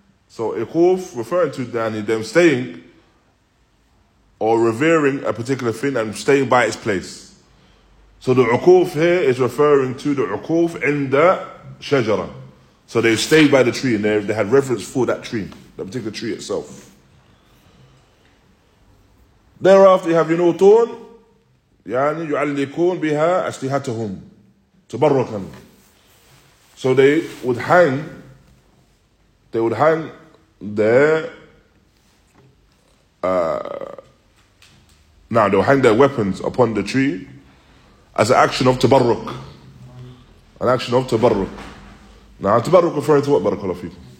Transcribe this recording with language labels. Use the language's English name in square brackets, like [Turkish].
[English] So uquf, referring to them staying or revering a particular thing and staying by its place. So the uquf here is referring to the uquf inda shajara. So they stayed by the tree and they had reverence for that tree, that particular tree itself. Thereafter, you have yunutun. [Arabic] يعني يعلقون بها أسلحتهم تبركا. [English] So they would hang their weapons upon the tree as an action of tabarruk. An action of tabarruk. Now tabarruk referring to what, barakallahu feek?